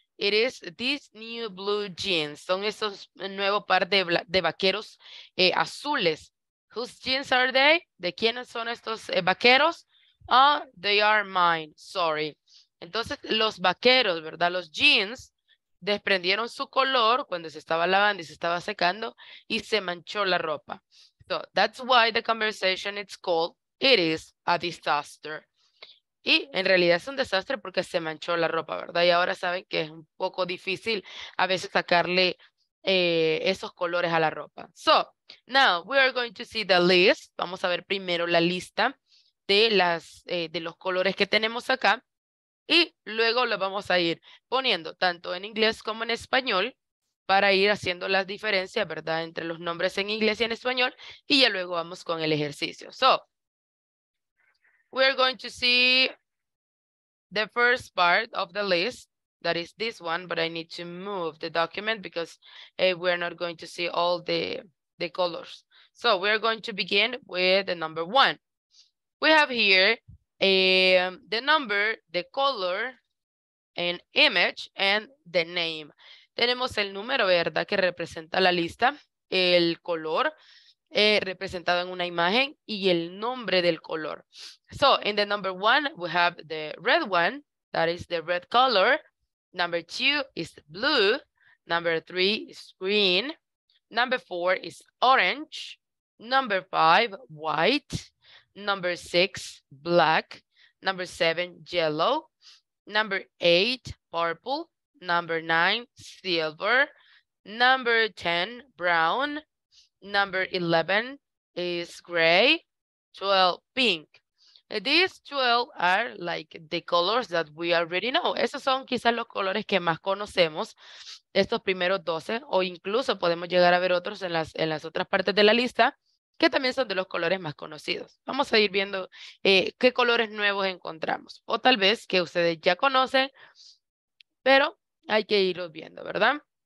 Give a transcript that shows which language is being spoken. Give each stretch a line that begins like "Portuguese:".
English: It is these new blue jeans.
Spanish: Son esos nuevos par de vaqueros azules.
English: Whose jeans are they?
Spanish: ¿De quiénes son estos vaqueros?
English: Ah, they are mine. Sorry.
Spanish: Entonces, los vaqueros, ¿verdad? Los jeans desprendieron su color cuando se estaba lavando y se estaba secando y se manchó la ropa.
English: So, that's why the conversation is called It is a disaster.
Spanish: Y en realidad es un desastre porque se manchó la ropa, ¿verdad? Y ahora saben que es un poco difícil a veces sacarle esos colores a la ropa.
English: So, now we are going to see the list.
Spanish: Vamos a ver primero la lista de de los colores que tenemos acá. Y luego lo vamos a ir poniendo tanto en inglés como en español para ir haciendo las diferencias, ¿verdad? Entre los nombres en inglés y en español. Y ya luego vamos con el ejercicio.
English: So, we are going to see the first part of the list. That is this one, but I need to move the document because we are not going to see all the colors. So, we are going to begin with the number one. We have here the number, the color, an image, and the name.
Spanish: Tenemos el número, ¿verdad? Que representa la lista, el color representado en una imagen y el nombre del color.
English: So, in the number one, we have the red one. That is the red color. Number two is blue. Number three is green. Number four is orange. Number five, white. Number six, black. Number seven, yellow. Number eight, purple. Number nine, silver. Number 10, brown. Number 11 is gray. 12, pink. These 12 are like the colors that we already know.
Spanish: Esos son quizás los colores que más conocemos, estos primeros 12, o incluso podemos llegar a ver otros en las otras partes de la lista, que también son de los colores más conocidos. Vamos a ir viendo qué colores nuevos encontramos, o tal vez que ustedes ya conocen, pero hay que irlos viendo, ¿verdad?